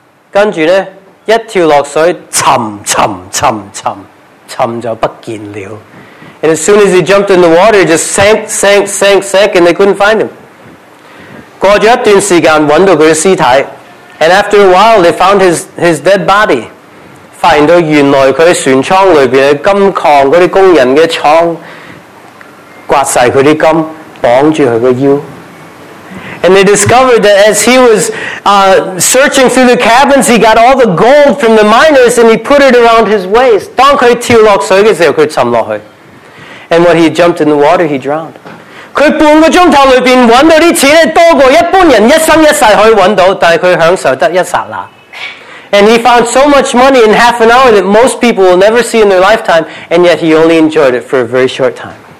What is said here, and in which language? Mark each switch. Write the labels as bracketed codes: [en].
[yue] 跟住呢，一跳落水，沉沉沉沉沉就不见了。 [en] And as soon as he jumped in the water, he just sank, and they couldn't find him. [yue] 过咗一段时间，揾到佢嘅尸体。 [en] And after a while, they found his dead body. [yue] 发现到原来佢喺船舱里边嘅金矿嗰啲工人嘅仓，刮晒佢啲金，绑住佢个腰。 [en] And they discovered that as he was searching through the cabins, he got all the gold from the miners and he put it around his waist. [yue] 当佢跳落水嘅时候，佢沉落去。 [en] And when he jumped in the water, he drowned. [yue] 佢半个钟头里边揾到啲钱咧，多过一般人一生一世可以揾到，但系佢享受得一刹那。 [en] And he found so much money in half an hour that most people will never see in their lifetime, and yet he only enjoyed it for a very short time.